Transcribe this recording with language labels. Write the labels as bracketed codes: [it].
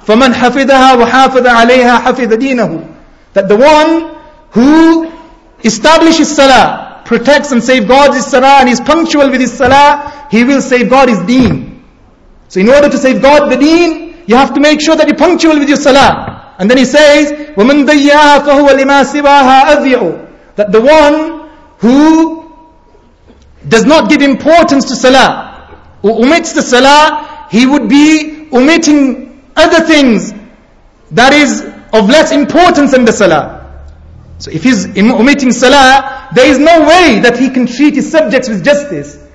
[ar] فَمَنْ حَفِظَهَا وَحَافَظَ عَلَيْهَا حَفِظَ دِينَهُ. [en] That the one who establishes salah, protects and safeguards his salah, and is punctual with his salah, he will safeguard his deen. So in order to safeguard the deen, you have to make sure that you're punctual with your salah. And then he says, [ar] وَمَنْ ضَيَّعَهَا فَهُوَ لِمَا سِوَاهَا أَذْيَعُ. [en] That the one who does not give importance to salah, or omits the salah, he would be omitting other things that is of less importance than the salah. So if he's omitting salah, there is no way that he can treat his subjects with justice.